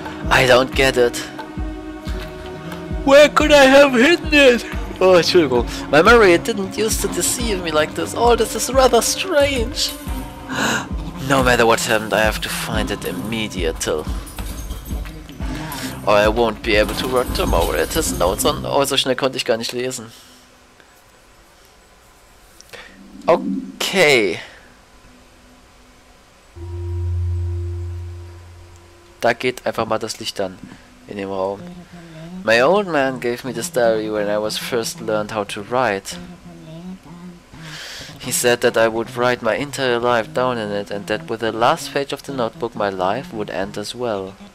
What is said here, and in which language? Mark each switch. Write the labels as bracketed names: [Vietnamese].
[English] I don't get it. Where could I have hidden it? [German] Oh, Entschuldigung. [English] My memory didn't used to deceive me like this. Oh, this is rather strange. No matter what happened, I have to find it immediately. Or I won't be able to work tomorrow. It has notes on... [German] Oh, so schnell konnte ich gar nicht lesen. Okay. Da geht einfach mal das Licht an in dem Raum. [English] My old man gave me this diary when I was first learned how to write. He said that I would write my entire life down in it and that with the last page of the notebook my life would end as well.